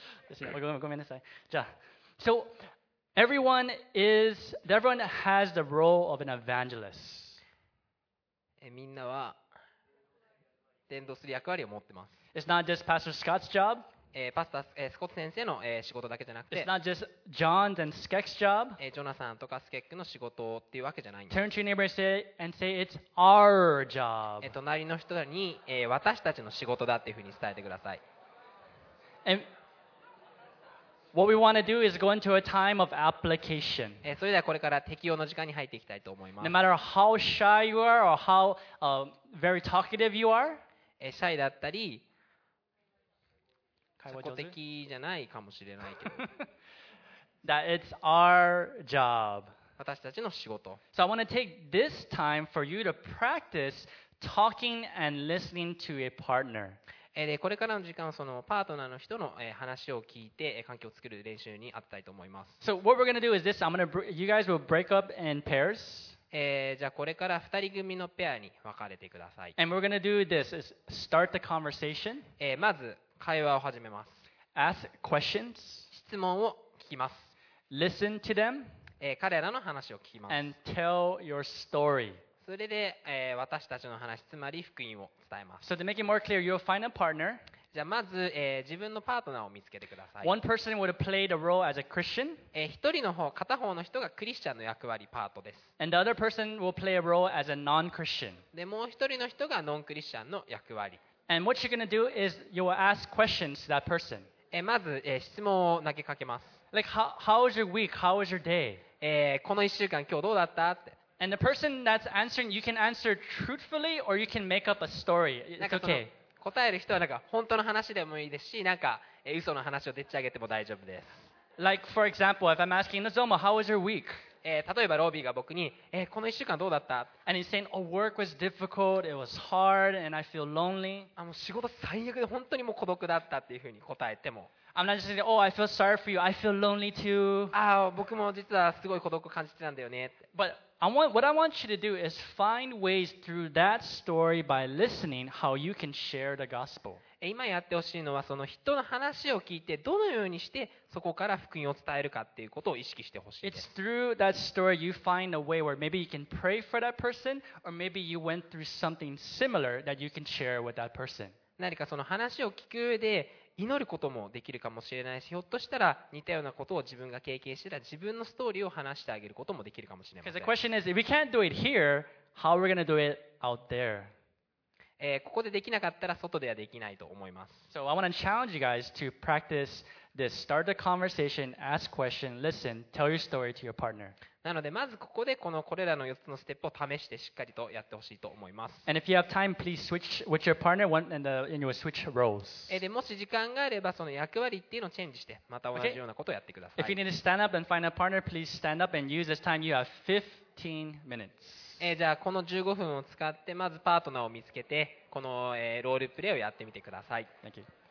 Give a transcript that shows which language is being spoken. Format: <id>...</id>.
<en>So everyone has the role of an evangelist.</en> <ja>みんなは伝道する役割を持ってます。</ja> <en>It's not just Pastor Scott's job.</en> <ja>パスタースコット先生の仕事だけじゃなくて、</ja> <en>It's not just John's and Skek's job.</en> <ja>ジョナサンとかスケックの仕事っていうわけじゃないんです</ja> <en>Turn to your neighbor and say it's our job.</en> <ja>隣の人に私たちの仕事だっていうふうに伝えてください。</ja> <en>And what we want to do is go into a time of application.</en> <ja>それではこれから適用の時間に入っていきたいと思います。</ja> <en>No matter how shy you are or how very talkative you are.</en> <ja>シャイだったり。社交的じゃないかもしれないけど。</ja> <en>That it's our job.</en> <ja>私たちの仕事。</ja> <en>So I want to take this time for you to practice talking and listening to a partner.</en> <ja>でこれからの時間はそのパートナーの人の話を聞いて環境を作る練習にあったいと思います。</ja> <en>So what we're going to do is this. I'm going to you guys will break up in pairs.</en> <ja>じゃあこれから2人組のペアに分かれてください。</ja> <en>And we're going to do this is start the conversation.</en> <ja>まず会話を始めます。</ja> <en>Ask questions.</en> <ja>質問を聞きます。</ja> <en>Listen to them.</en> <ja>彼らの話を聞きます。</ja> <en>And tell your story.</en> <ja>それで、私たちの話、つまり福音を伝えます。</ja> <en>So to make it more clear, you'll find a partner.</en> <ja>じゃあまず、自分のパートナーを見つけてください。</ja> <en>One person would play the role as a Christian.</en> <ja>片方の人がクリスチャンの役割パートです。</ja> <en>And the other person will play a role as a non-Christian.</en> <ja>で、もう一人の人がノンクリスチャンの役割。</ja> <en>And what you're gonna do is you will ask questions to that person.</en> <ja>まず質問を投げかけます。</ja> <en>Like how was your week? How was your day?</en> <ja>この1週間今日どうだったって。</ja> <en>And the person that's answering, you can answer truthfully or you can make up a story. It's okay.</en> <ja>答える人はなんか本当の話でもいいですし、なんか嘘の話をでっち上げても大丈夫です。</ja> <en>Like for example, if I'm asking Nozomo, how was your week?</en> <ja>例えばロビーが僕に、この1週間どうだった？</ja> <en>And he's saying, oh, work was difficult, it was hard, and I feel lonely.</en> <ja>もう仕事最悪で本当にもう孤独だったっていうふうに答えても。</ja> <en>I'm not just saying, oh, I feel sorry for you. I feel lonely too.</en> <ja>ああ、僕も実はすごい孤独を感じてたんだよねって。</ja> <en>But what I want you to do is find ways through that story by listening how you can share the gospel.</en> <ja>今やってほしいのはその人の話を聞いてどのようにしてそこから福音を伝えるかっていうことを意識してほしいです。</ja> <en>It's through that story you find a way where maybe you can pray for that person or maybe you went through something similar that you can share with that person.</en> <ja>何かその話を聞く上で祈ることもできるかもしれないし、ひょっとしたら似たようなことを自分が経験したら自分のストーリーを話してあげることもできるかもしれません。</ja> <en>Because the question is, if we can't do it here, how are we going to do it out there?</en> <ja>ここでできなかったら外ではできないと思います。</ja> <en>So I want to challenge you guys to practice this. Start the conversation, ask questions, listen, tell your story to your partner.</en> <ja>なのでまずここでこれらの4つのステップを試してしっかりとやってほしいと思います。</ja> <en>And if you have time, please switch with your partner and you will switch roles.</en> <ja>でもし時間があればその役割っていうのをチェンジしてまた同じようなことをやってください。</ja> <en>If you need to stand up and find a partner, please stand up and use this time. You have 15 minutes.</en> <ja>じゃあこの15分を使ってまずパートナーを見つけてこのロールプレイをやってみてください。</ja> <en>Thank you.</en>